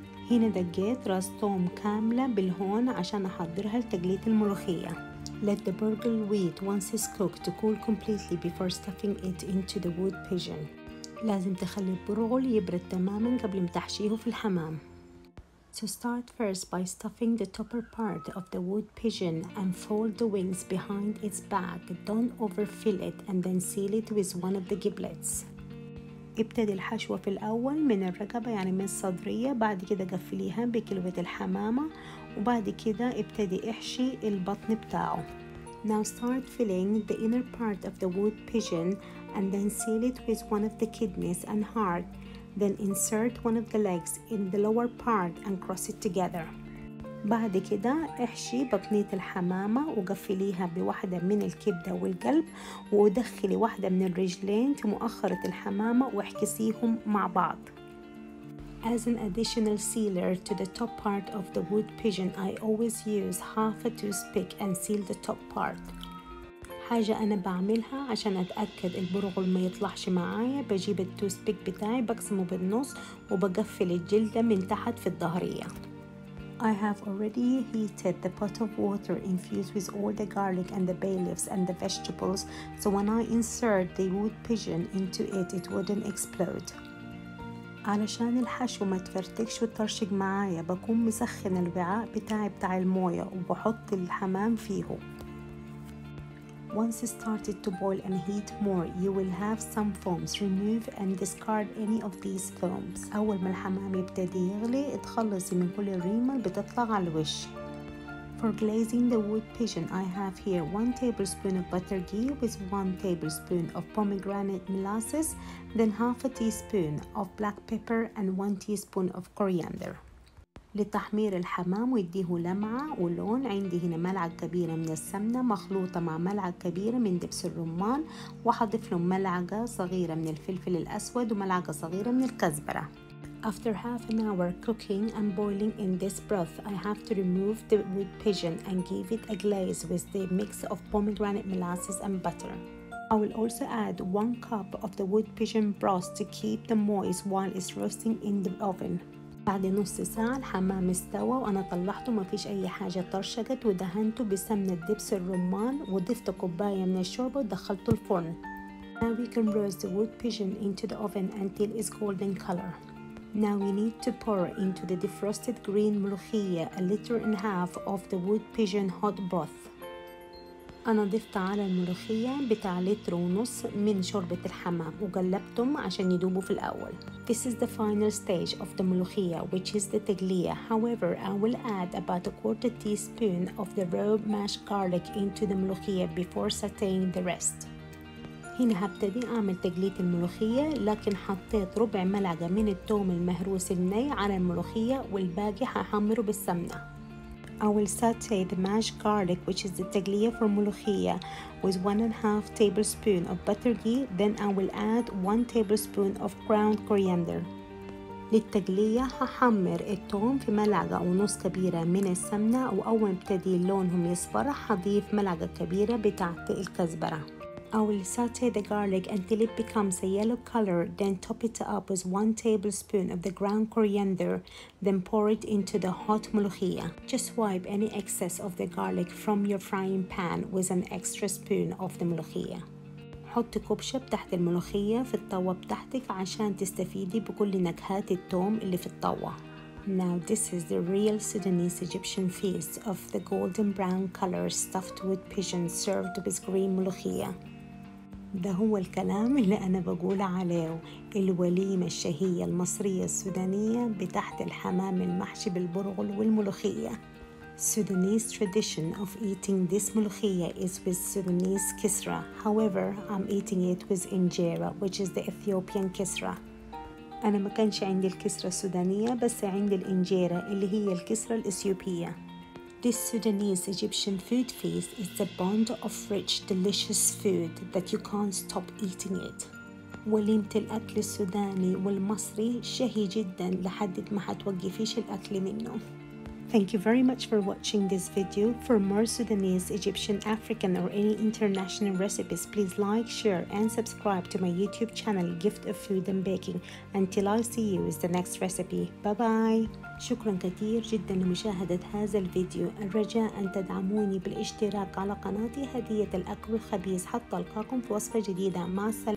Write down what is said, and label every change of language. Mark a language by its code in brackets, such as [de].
[ar] هنا دقيت راس توم كاملة بالهون عشان أحضرها لتقلية الملوخية. [en] Let the burgle wheat once it's cooked to cool completely before stuffing it into the wood pigeon. [ar] لازم تخلي البرغل يبرد تماما قبل ما تحشيه في الحمام. [en] So start first by stuffing the topper part of the wood pigeon and fold the wings behind its back. Don't overfill it and then seal it with one of the giblets. [ar] ابتدي الحشوة في الأول من الرقبة يعني من الصدرية بعد كده قفليها بكلوة الحمامة وبعد كده ابتدي احشي البطن بتاعه. [en] Now start filling the inner part of the wood pigeon and then seal it with one of the kidneys and heart. Then insert one of the legs in the lower part and cross it together. [ar] بعد كده احشي بطنية الحمامة وقفليها بواحدة من الكبدة والقلب ودخلي واحدة من الرجلين في مؤخرة الحمامة واحكسيهم مع بعض. [en] As an additional sealer to the top part of the wood pigeon, I always use half a toothpick and seal the top part. [ar] حاجة أنا بعملها عشان أتأكد البرغل ما يطلعش معايا بجيب التوثبيك بتاعي بقسمه بالنص وبقفل الجلدة من تحت في الظهرية. [en] I have already heated the pot of water infused with all the garlic and the bay leaves and the vegetables so when I insert the wood pigeon into it it wouldn't explode. [ar] علشان الحشو ما تفرتكش وترشق معايا بكون مسخن الوعاء بتاع الموية وبحط الحمام فيه. [en] Once it started to boil and heat more, you will have some foams. Remove and discard any of these foams. [ar] أول ما الحمام يبتدي يغلي اتخلصي من كل الريمة بتطلع على الوش. [en] For glazing the wood pigeon, I have here 1 tablespoon of butter ghee with 1 tablespoon of pomegranate molasses, then 1/2 teaspoon of black pepper and 1 teaspoon of coriander. [ar] لتحمير الحمام ويديه لمعة ولون، عندي هنا ملعقة كبيرة من السمنة مخلوطة مع ملعقة كبيرة من دبس الرمان، وحضيف له ملعقة صغيرة من الفلفل الأسود وملعقة صغيرة من الكزبرة. [en] After 1/2 hour cooking and boiling in this broth, I have to remove the wood pigeon and give it a glaze with the mix of pomegranate molasses and butter. I will also add 1 cup of the wood pigeon broth to keep the moist while it's roasting in the oven. [ar] بعد نص ساعة الحمام استوى وأنا طلعته مفيش أي حاجة ترشقت، ودهنته بسمنة دبس الرمان وضفت كوباية من الشوربة ودخلته الفرن. [en] Now we can roast the wood pigeon into the oven until it's golden color. Now we need to pour into the defrosted green ملوخية 1.5 liters of the wood pigeon hot broth. [ar] أنا ضفت على الملوخية بتاع [en] 1.5 liters [ar] من شوربة الحمام وقلبتهم عشان يدوبوا في الأول. [en] This is the final stage of the ملوخية, which is the تقلية. However, I will add about 1/4 teaspoon of the raw mashed garlic into the ملوخية before sauteing the rest. [ar] هنا هبتدي أعمل تقلية الملوخية، لكن حطيت 1/4 ملعقة من الثوم المهروس الني على الملوخية والباقي هحمره بالسمنة. [en] I will saute the mashed garlic, which is the تقلية for ملوخية, with 1.5 tablespoon of butter ghee. Then I will add 1 tablespoon of ground coriander. [ar] للتقلية هحمر الثوم في ملعقة ونص كبيرة من السمنة، وأول ما ابتدي لونهم يصفر هضيف ملعقة كبيرة بتاعت الكزبرة. [en] I will saute the garlic until it becomes a yellow color, then top it up with 1 tablespoon of the ground coriander, then pour it into the hot ملوخية. Just wipe any excess of the garlic from your frying pan with an extra spoon of the ملوخية. [ar] حط كوب شب تحت الملوخية في الطوة بتاعتك عشان تستفيدي بكل نكهات الثوم اللي في الطوة. [en] Now this is the real Sudanese Egyptian feast of the golden brown color stuffed with pigeon served with green ملوخية. [ar] ده هو الكلام اللي أنا بقول عليه، الوليمة الشهية المصرية السودانية بتحت الحمام المحشي بالبرغل والملوخية. [en] Sudanese tradition of eating this ملوخية is with Sudanese kisra. However, I'm eating it with injera, which is the Ethiopian kisra. [ar] أنا ما كانش عندي الكسرة السودانية، بس عندي الإنجيرة اللي هي الكسرة الإثيوبية. [en] This Sudanese Egyptian food feast is the bond of rich, delicious food that you can't stop eating it. [ar] وليمة الأكل السوداني والمصري شهي جدا لحد ما هتوقفيش الأكل منه. [en] Thank you very much for watching this video. For more Sudanese, Egyptian, African, or any international recipes, please like, share, and subscribe to my YouTube channel, Gift of Food and Baking. Until I see you with the next recipe. Bye-bye. [ar] شكرا كثير جدا لمشاهدة هذا الفيديو. الرجاء أن تدعموني بالاشتراك على قناتي هدية الأكل الخبيث حتى ألقاكم في وصفة جديدة. مع السلامة.